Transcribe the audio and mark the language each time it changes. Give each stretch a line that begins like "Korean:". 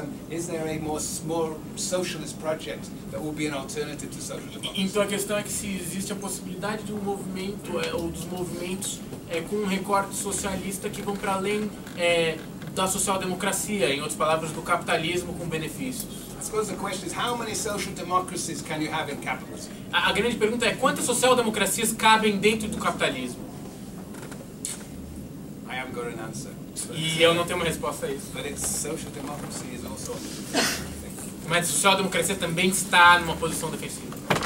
English: Is there a more socialist project that will be an alternative to social democracy?
Portuguese: Então a questão é que se existe a possibilidade de um movimento ou dos movimentos com um recorte socialista que vão para além da social democracia, em outras palavras, do capitalismo com benefícios.
English: I suppose the question is how many social democracies can you have in capitalism?
Portuguese: A grande pergunta é quantas social democracias cabem dentro do capitalismo?
English: I haven't got an answer.
Portuguese: E eu não tenho uma resposta a isso.
English: But it's social democracy is also...
Portuguese: Mas a social democracia também está numa posição defensiva.